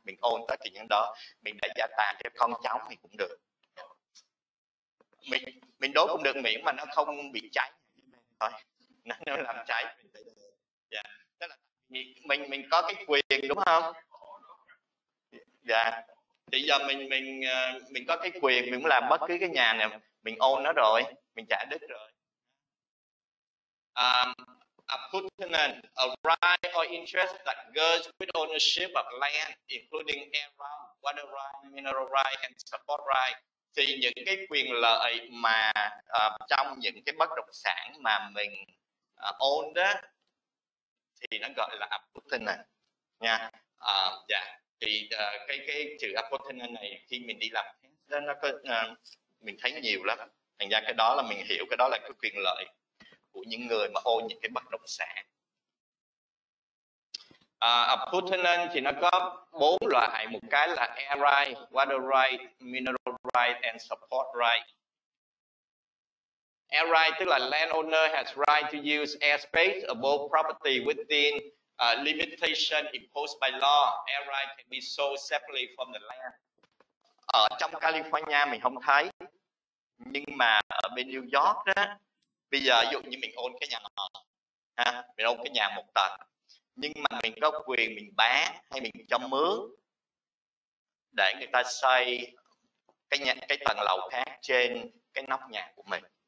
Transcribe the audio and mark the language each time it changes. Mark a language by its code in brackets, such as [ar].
[vi] Mình own tất cả những đó, mình để gia tài cho con cháu thì cũng được, mình đốt cũng được, miễn mà nó không bị cháy thôi. Nó làm cháy tức là mình có cái quyền, đúng không? Dạ. Thì giờ mình có cái quyền, mình muốn làm bất cứ cái nhà này, mình own nó rồi, mình trả đất rồi. [en] A putative, a right or interest that goes with ownership of land, including air right, water right, mineral right and support right. [vi] Thì những cái quyền lợi mà trong những cái bất động sản mà mình own đó, thì nó gọi là a putative nha. Dạ. Thì cái chữ appurtenant này khi mình đi làm nó có, mình thấy nhiều lắm. Thành ra cái đó là mình hiểu cái đó là cái quyền lợi của những người mà ôn những cái bất động sản. Appurtenant thì nó có bốn loại, một cái là [en] air right, water right, mineral right and support right. Air right tức là landowner has right to use airspace above property within limitation imposed by law. Air right can be sold separately from the land. [vi] Ở trong California mình không thấy, nhưng mà ở bên New York đó, bây giờ ví dụ như mình own cái nhà ở, ha, mình own cái nhà một tầng, nhưng mà mình có quyền mình bán hay mình cho mướn để người ta xây cái nhà, cái tầng lầu khác trên cái nóc nhà của mình.